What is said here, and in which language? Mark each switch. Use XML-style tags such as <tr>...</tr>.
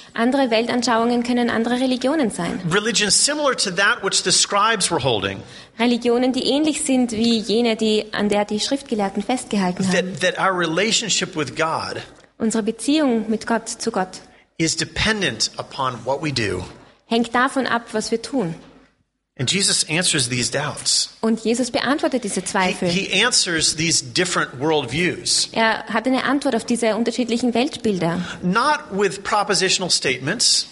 <de>Andere Weltanschauungen können andere Religionen sein.</de> <en>Religions similar to that which the scribes were holding.</en> <de>Religionen, die ähnlich sind wie jene, die an der die Schriftgelehrten festgehalten haben.</de> <en>That our relationship with God.</en> <de>Unsere Beziehung mit Gott zu Gott.</de> <en>Is dependent upon what we do.</en> <de>Hängt davon ab, was wir tun.</de> <en>And Jesus answers these doubts.</en> <de>Und Jesus beantwortet diese Zweifel.</de> <en>He answers these different worldviews.</en> <de>Er hat eine Antwort auf diese unterschiedlichen Weltbilder.</de> <en>Not with propositional statements.</en>